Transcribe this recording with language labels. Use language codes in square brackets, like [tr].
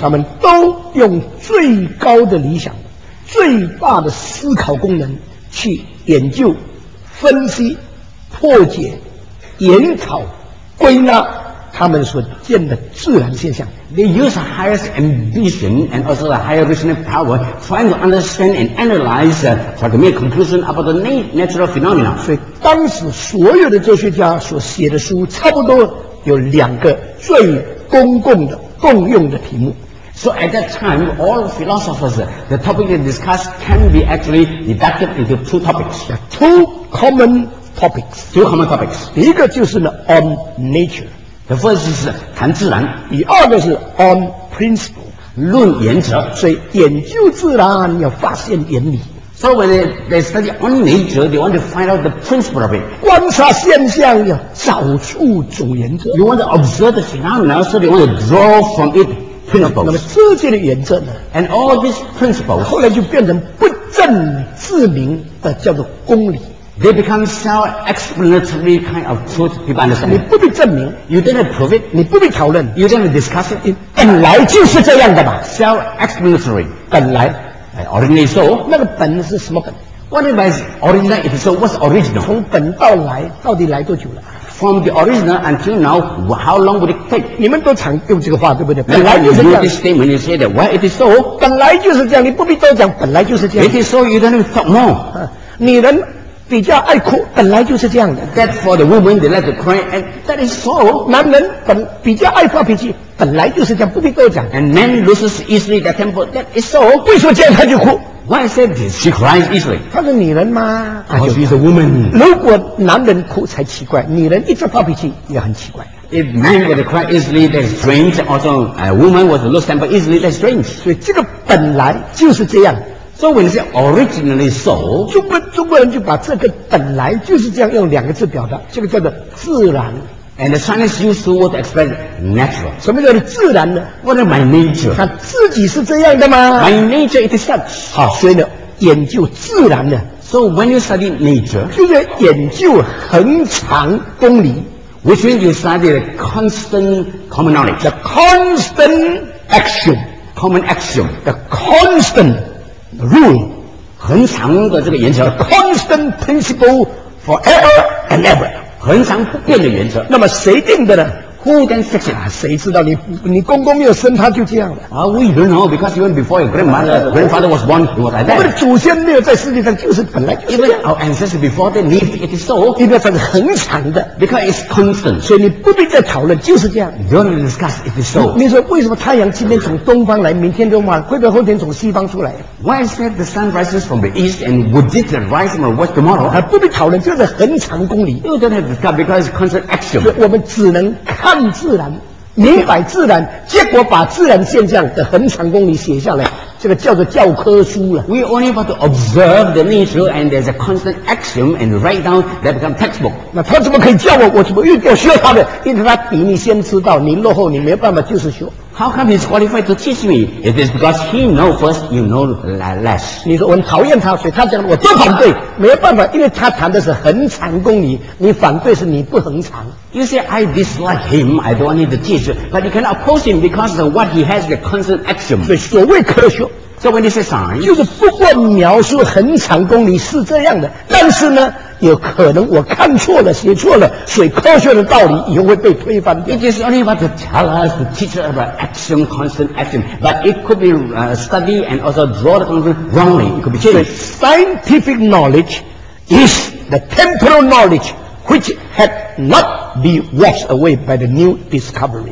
[zh] 他们都用最高的理想、最大的思考功能去研究、分析、破解、研讨、归纳。他们所见的自然现象 [en] They use the highest ambition and also the higher reasoning power trying to understand and analyze for the main conclusion about the natural phenomena. [zh] 所以当时所有的哲学家所写的书差不多有两个最公共的共用的题目。 [en] So at that time, all philosophers, the topic they discuss can be actually deducted into two topics. Two common topics. [zh] 第一个就是呢 [en] on nature. The first is [zh] 谈自然，第二个是 [en] on principle [zh] 论原则。所以研究自然要发现原理。 [en] So when they study on nature, they want to find out the principle of it. [zh] 观察现象要找出总原则。 [en] You want to observe the phenomena, so they want to draw from it principles. [zh] 那么这些的原则呢 [en] ？And all these principles [zh] 后来就变成不证自明的叫做公理。 [en] They become self-explanatory kind of truth. People understand. [zh] 你不必证明 [en] ，you don't have to prove it. [zh] 你不必讨论 [en] ，you don't have to discuss it. [zh] 本来就是这样的嘛。 [en] Self-explanatory. [zh] 本来 [en] ，originally so. [zh] 那个本是什么本 [en] ？What is original? If so, what's original? [zh] 从本到来，到底来多久了？ [en] From the original until now, how long would it take? [zh] 你们都常用这个话，对不对？本来就是这样。 [en] You use this statement. You say that why it is so. [zh] 本来就是这样，你不必多讲。本来就是这样。 [en] It is so. You don't need to talk more. [zh] 你能。比较爱哭，本来就是这样的。 [en] That for the woman they like to cry, and that is so. [zh] 男人本比较爱发脾气，本来就是这样，不必多讲。 [en] And man loses easily their temper, that is so. [zh] 为什么这样他就哭 [en] ？Why is that? She cries easily. [zh] 他是女人吗 [en] ？Because she's a woman. [zh] 如果男人哭才奇怪，女人一直发脾气也很奇怪。 [en] If man were to cry easily, that is strange. Also, a woman was to lose temper easily, that is strange. [zh] 所以这个本来就是这样。 [en] So when you say originally so, [zh] 中国人就把这个本来就是这样用两个字表达，这个叫做自然。 [en] And the Chinese use the word to express natural. [zh] 什么叫做自然呢 [en] ？What is my nature? [zh] 它自己是这样的吗 [en] ？My nature it is such. [zh] 好，所以呢，研究自然呢 [en] ，So when you study nature, [zh] 就是研究恒常公理 [en] ，which means you study the constant common knowledge, the constant axiom, common axiom, the constant. Rule, [zh] 恒常的这个原则 [en] ，constant principle forever and ever, [zh] 恒常不变的原则。那么谁定的呢 [en] Who then fix it? [zh] 谁知道你公公没有生他就这样了。 [en] We don't know because even before your grandfather was born, he was like that. [zh] 我们的祖先没有在世界上就是本来就是这样。 [en] Even our ancestors before they lived, it is so. [zh] 因为它是恒常的。 [en] Because it's constant. [zh] 所以你不必再讨论，就是这样。 [en] You don't discuss, it is so. [zh] 你说为什么太阳今天从东方来，明天就往，会不会后天从西方出来？ [en] Why is that the sun rises from the east and would it rise from the west tomorrow? [zh] 不必讨论，就是恒常公理。 [en] You don't have to discuss because it's constant action. [zh] 我们只能看自然，明白自然，结果把自然现象的恒常公理写下来，这个叫做教科书了。 [en] We only have to observe the nature and there's a constant axiom and write down that become textbook. [zh] 那他怎么可以教我？我怎么又要学他的？因为他比你先知道，你落后，你没办法就是学。 [en] How come he's qualified to teach me? It is because he knows first, you know less. [zh] 你说我很讨厌他，所以他讲我都反对，没办法，因为他谈的是恒常公理，你反对是你不恒常。 [en] You say I dislike him, I don't want him to teach, but you cannot oppose him because of what he has the constant axiom. [zh] 所谓科学。 [en] So when you say science, [zh] 就是不过描述恒常公理是这样的，但是呢，有可能我看错了，写错了，所以科学的道理也会被推翻掉。 [en] It is only about to tell us to teach us about action, constant action, but it could be studied and also draw the conclusion wrongly. It could be changed. Scientific knowledge is the temporal knowledge which had not been washed away by the new discovery.